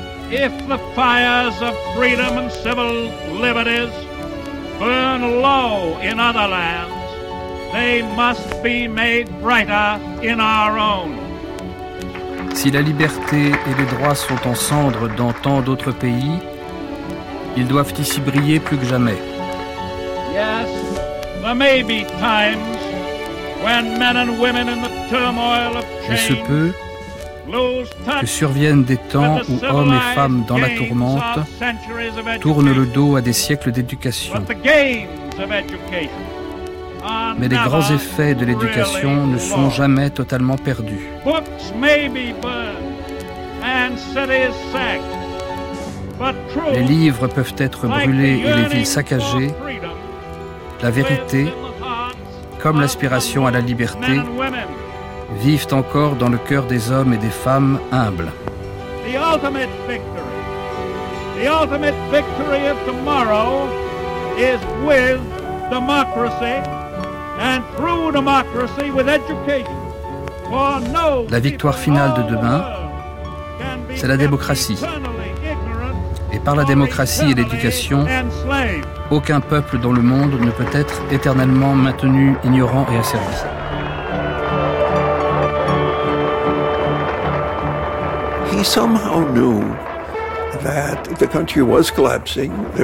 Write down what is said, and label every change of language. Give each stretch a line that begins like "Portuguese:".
English: If the fires of freedom and civil liberties burn low in other lands, they must be made brighter in our own.
French: Si la liberté et les droits sont en cendres dans tant d'autres pays, ils doivent ici briller plus que jamais.
English: Yes, there may be times.
French: Il se peut que surviennent des temps où hommes et femmes dans la tourmente tournent le dos à des siècles d'éducation. Mais les grands effets de l'éducation ne sont jamais totalement perdus. Les livres peuvent être brûlés et les villes saccagées. La vérité, comme l'aspiration à la liberté, vivent encore dans le cœur des hommes et des femmes humbles.
English: The ultimate victory of tomorrow is with democracy and through democracy with education. For no,
French: la victoire finale de demain, c'est la démocratie. Et par la démocratie et l'éducation, aucun peuple dans le monde ne peut être éternellement maintenu ignorant et asservi.
English: He somehow knew that the country was collapsing.